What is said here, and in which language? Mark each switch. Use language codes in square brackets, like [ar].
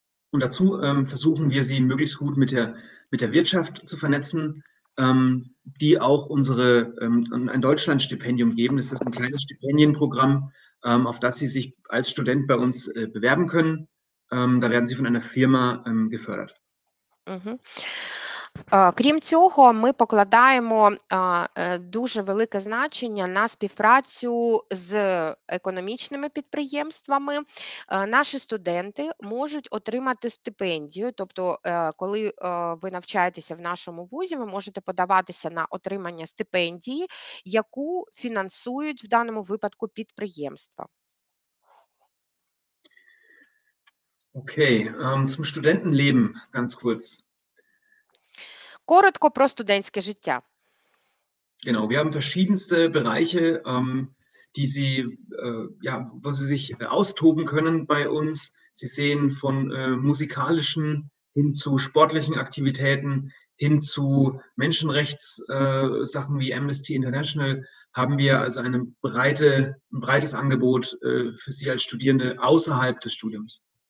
[de] Und dazu versuchen wir sie möglichst gut mit der Wirtschaft zu vernetzen, die auch unsere ein Deutschlandstipendium geben. Das ist ein kleines Stipendienprogramm, auf das Sie sich als Student bei uns bewerben können. Da werden Sie von einer Firma gefördert. [uk] Крім цього, ми покладаємо дуже велике значення на співпрацю з економічними підприємствами. Наші студенти можуть отримати стипендію, тобто коли ви навчаєтеся в нашому вузі, ви можете подаватися на отримання стипендії, яку фінансують в даному випадку підприємства. [de] Окей, zum Studentenleben ganz kurz. [uk] Коротко про студентське життя. [de] Genau, wir haben verschiedenste Bereiche, die Sie, ja, wo Sie sich austoben können bei uns. Sie sehen von musikalischen hin zu sportlichen Aktivitäten, hin zu Menschenrechtssachen wie Amnesty International, haben wir also ein breites Angebot für Sie als Studierende außerhalb des Studiums.